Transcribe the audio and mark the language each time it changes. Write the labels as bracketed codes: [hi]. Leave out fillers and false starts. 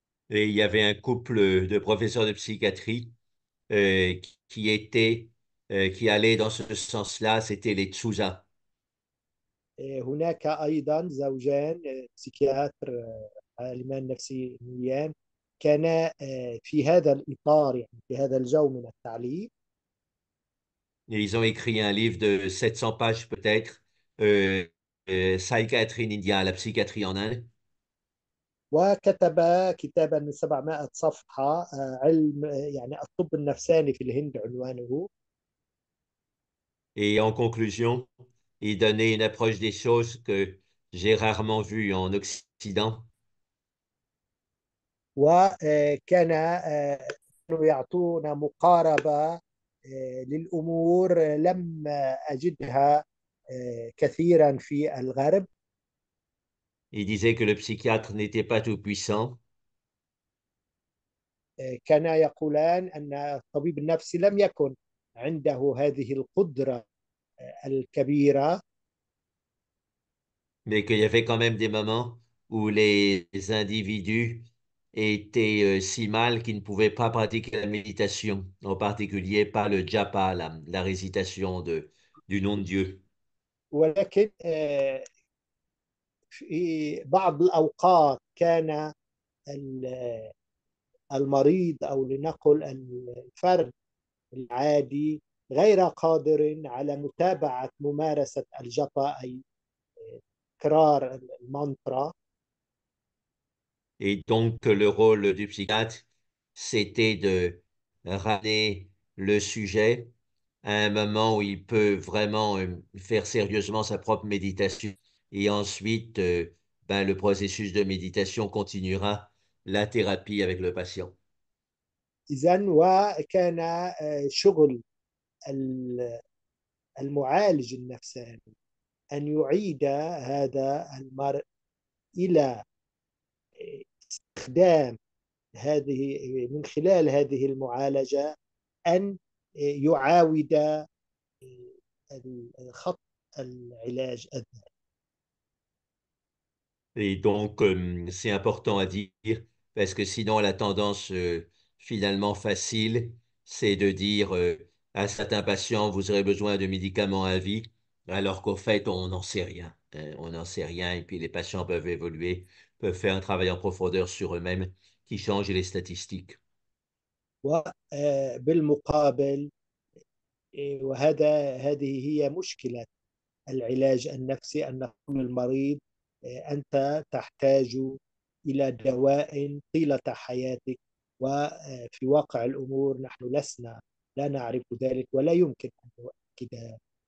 [fr] Et il y avait un couple de professeurs de psychiatrie qui allait dans ce sens-là, c'était les Tsouza. [ar] هناك أيضا زوجان سيكياتر عالمان نفسيين كانا في هذا الإطار، يعني في هذا الجو من التعليم. [fr] Et ils ont écrit un livre de 700 pages peut-être, Psychiatry in India, la psychiatrie en Inde. [ar] وكتب كتابا من 700 صفحة، علم يعني الطب النفساني في الهند عنوانه. [fr] Et en conclusion, il donnait une approche des choses que j'ai rarement vue en Occident. [ar] وكان يعطونا مقاربة للأمور لم أجدها كثيرا في الغرب. [fr] Il disait que le psychiatre n'était pas tout puissant. [ar] كان يقولان أن الطبيب النفسي لم يكن عنده هذه القدرة الكبيرة. [fr] Mais qu'il y avait quand même des moments où les individus étaient si mal qu'ils ne pouvaient pas pratiquer la méditation, en particulier pas le japa, la récitation du nom de Dieu. [ar] ولكن في بعض الأوقات كان المريض أو لنقل الفرد العادي غير قادر على متابعة ممارسة الجطا أي تكرار المانترا. [fr] Et donc le rôle du psychiatre, c'était de ramener le sujet à un moment où il peut vraiment faire sérieusement sa propre méditation. Et ensuite, ben, le processus de méditation continuera la thérapie avec le patient. [ar] إذن وكان شغل المعالج النفساني أن يعيد هذا المرء إلى استخدام هذه من خلال هذه المعالجة أن يعاود خط العلاج الذاتي. [fr] Et donc, c'est important à dire, parce que sinon, la tendance finalement facile, c'est de dire à certains patients, vous aurez besoin de médicaments à vie, alors qu'au fait, on n'en sait rien. Hein, on n'en sait rien, et puis les patients peuvent évoluer, peuvent faire un travail en profondeur sur eux-mêmes qui change les statistiques. [ar] وبالمقابل هذه هي مشكلة العلاج النفسي، أن نقول للمريض أنت تحتاج إلى دواء طيلة حياتك، وفي واقع الأمور نحن لسنا لا نعرف ذلك ولا يمكن أن نؤكد.